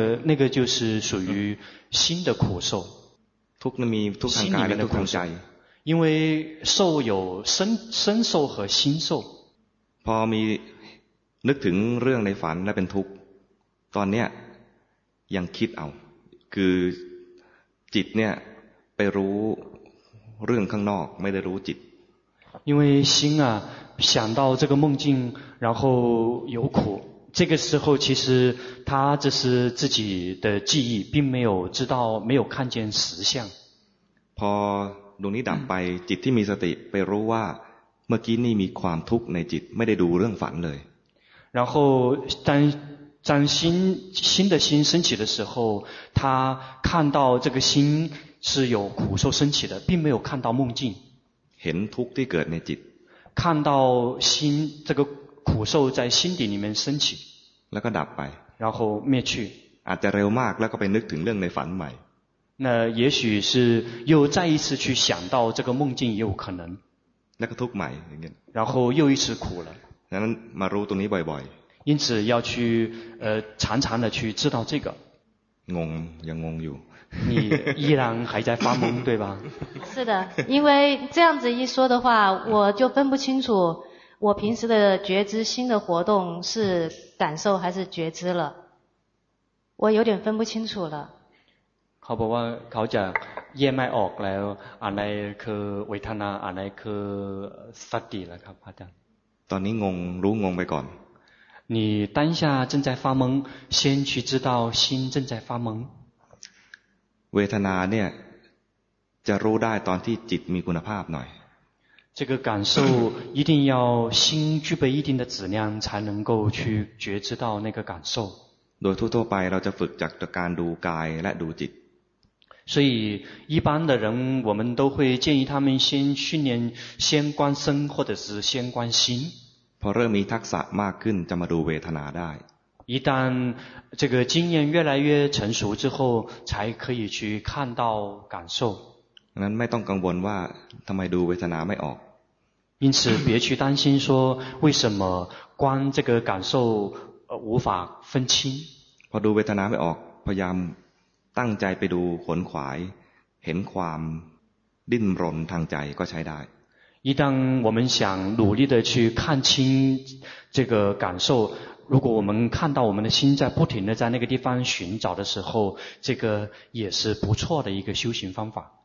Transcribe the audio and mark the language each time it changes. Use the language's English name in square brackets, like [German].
[Chinese] 那个就是属于心的苦受 [Thai] ทุกข์นั้นมีทุกข์ทางกายและทุกข์ทางใจ [Chinese] 因为受有身受和心受 [Thai] พอมีนึกถึงเรื่องในฝันและเป็นทุกข์ตอนเนี้ยยังคิดเอาคือจิตเนี่ยไปรู้เรื่องข้างนอกไม่ได้รู้จิต [Chinese] 因为心啊想到这个梦境然后有苦这个时候其实他这是自己的记忆并没有知道没有看见实相 [Thai] พอดวงนี้ดับไปจิตที่มีสติไปรู้ว่าเมื่อกี้นี่มีความทุกข์ในจิตไม่ได้ดูเรื่องฝันเลย [Chinese] 然后当新的心升起的时候他看到这个心是有苦受升起的并没有看到梦境 [Thai] เห็นทุกข์ที่เกิดในจิต [Chinese] 看到心这个苦受在心底里面升起 [Thai] แล้วก็ดับไป [Chinese] 然后灭去 [Thai] อาจจะเร็วมากแล้วก็ไปนึกถึงเรื่องในฝันใหม่ [Chinese] 那也许是又再一次去想到这个梦境也有可能 [Thai] แล้วก็ทุกข์ใหม่อย่างเงี้ย [Chinese] 然后又一次苦了 [Thai] ดังนั้นมารู้ตรงนี้บ่อย [Chinese] 因此要去常常的去知道这个 [Thai] งงยังงงอยู่ [Chinese] 你依然还在发懵对吧是的因为这样子一说的话我就分不清楚我平时的觉知心的活动是感受还是觉知了我有点分不清楚了好不好 [Thai] เขาจะแยกไม่ออกแล้วอะไรคือเวทนาอะไรคือสติล่ะครับอาจารย์ตอนนี้งงรู้งงไปก่อน [Chinese] 你当下正在发懵先去知道心正在发懵 [Thai] เวทนาเนี่ยจะรู้ได้ตอนที่จิตมีคุณภาพหน่อย [Chinese] 这个感受一定要心具备一定的质量才能够去觉知到那个感受 [Thai] โดยทั่วไปเราจะฝึกจากการดูกายและดูจิต [Chinese] 所以一般的人我们都会建议他们先训练先观身或者是先观心 [Thai] พอเริ่มมีทักษะมากขึ้นจะมาดูเวทนาได้ [Chinese] 一旦这个经验越来越成熟之后才可以去看到感受 [Thai] นั้นไม่ต้องกังวลว่าทำไมดูเวทนาไม่ออก [Chinese] 因此别去担心说为什么观这个感受无法分清 [Thai] พอดูเวทนาไม่ออกพยายามตั้งใจไปดูขนขวายเห็นความดิ้นรนทางใจก็ใช้ได้ [Chinese] 一旦我们想努力的去看清这个感受如果我们看到我们的心在不停的在那个地方寻找的时候这个也是不错的一个修行方法